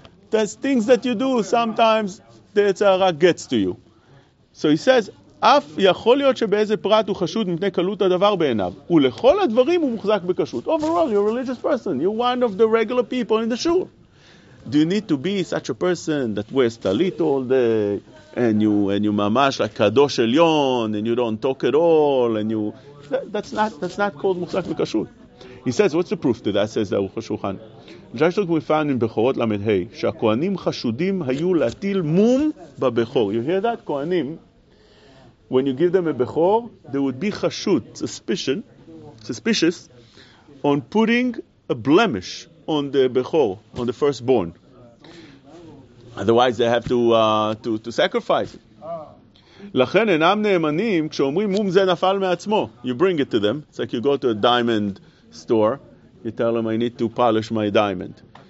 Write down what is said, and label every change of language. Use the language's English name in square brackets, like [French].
[English] There's things that you do, sometimes the Yetzirah gets to you. So he says, [Hebrew] אף יכול להיות שבאיזה פרט הוא חשוד מפני קלות הדבר בעיניו. ולכל הדברים הוא מוחזק בקשרות. [English] Overall, you're a religious person. You're one of the regular people in the shul. Do you need to be such a person that wears talit all day and you mamash like kadosh elyon and you don't talk at all and you... That's not called muhzak v'kashrut. He says, what's the proof to that? Says the Aruch HaShulchan. Just like we found in Bechorot Lamed Hei, [Hebrew] שהכהנים חשודים היו להטיל מום בבכור. [English] You hear that? כהנים, when you give them a bechor, there would be חשוד, suspicious, on putting a blemish on the Bechor, on the firstborn. Otherwise they have to sacrifice. [Hebrew] לכן אינם נאמנים כשאומרים מום זה נפל מעצמו. [English] You bring it to them. It's like you go to a diamond store. You tell them, I need to polish my diamond.